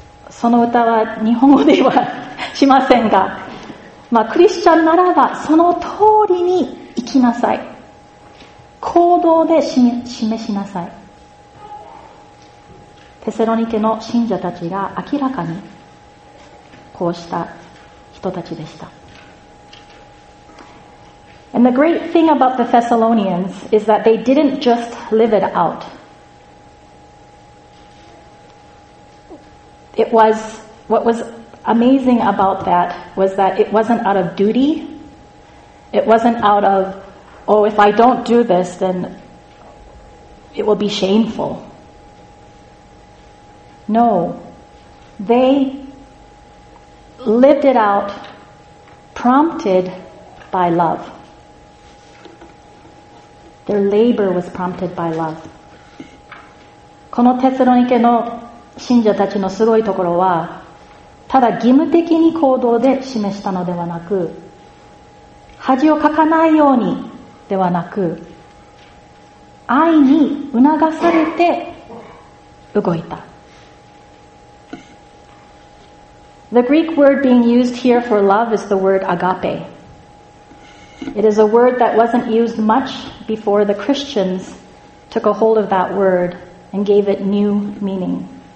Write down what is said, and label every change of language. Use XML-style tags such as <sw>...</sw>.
<ja>その歌は日本語ではしませんが、まあ、クリスチャンならばその通りに生きなさい、行動で示しなさい。テサロニケの信者たちが明らかにこうした人たちでした。</ja> <en>And the great thing about the Thessalonians is that they didn't just live it outIt was, what was amazing about that was that it wasn't out of duty. It wasn't out of, oh, if I don't do this, then it will be shameful. No, they lived it out prompted by love. Their labor was prompted by love.</en> <ja>このテサロニケの信者たちのすごいところは、ただ義務的に行動で示したのではなく、恥をかかないようにではなく、愛に促されて動いた。</ja> <en>The Greek word being used here for love is the word agape. It is a word that wasn't used much before the Christians took a hold of that word and gave it new meaning.</en>